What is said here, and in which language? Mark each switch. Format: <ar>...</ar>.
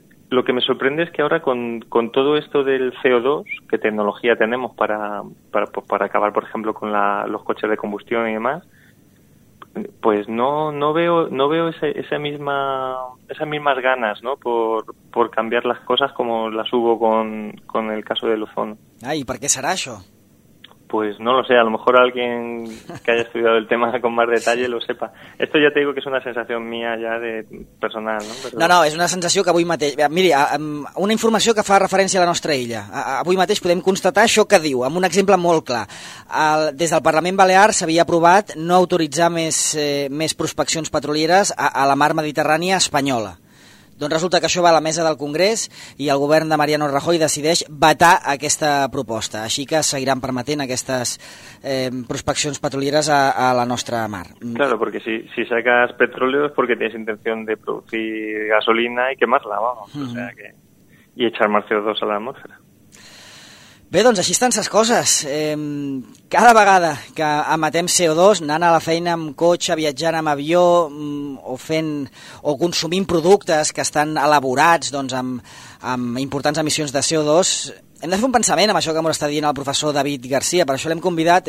<es>Lo que me sorprende es que ahora con todo esto del CO2, qué tecnología tenemos para acabar, por ejemplo, con los coches de combustión y demás, pues no veo esas mismas ganas, ¿no? Por cambiar las cosas como las hubo con el caso del ozono. Ay, ¿y por qué será eso? Pues no lo sé, a lo mejor alguien que haya estudiado el tema con más detalle lo sepa. Esto ya te digo que es una sensación mía ya de personal, ¿no? Pero...</es> <ca>No, és una sensació que avui mateix... Miri, una informació que fa referència a la nostra illa. Avui mateix podem constatar això que diu, amb un exemple molt clar. Des del Parlament Balear s'havia aprovat no autoritzar més prospeccions petrolieres a la mar Mediterrània espanyola. Doncs resulta que això va a la mesa del Congrés i el govern de Mariano Rajoy decideix vetar aquesta proposta. Així que seguiran permetent aquestes prospeccions petrolieres a la nostra mar.</ca> <es>Claro, porque si sacas petróleo es porque tienes intención de producir gasolina y quemarla, vamos. Uh-huh. O sea que... Y echar más CO2 a la atmósfera.</es> <ca>Bé, doncs així estan les coses. Cada vegada que emetem CO2, anant a la feina amb cotxe, viatjant amb avió o consumint productes que estan elaborats doncs, amb importants emissions de CO2, hem de fer un pensament amb això que m'ho està dient el professor David García. Per això l'hem convidat.</ca>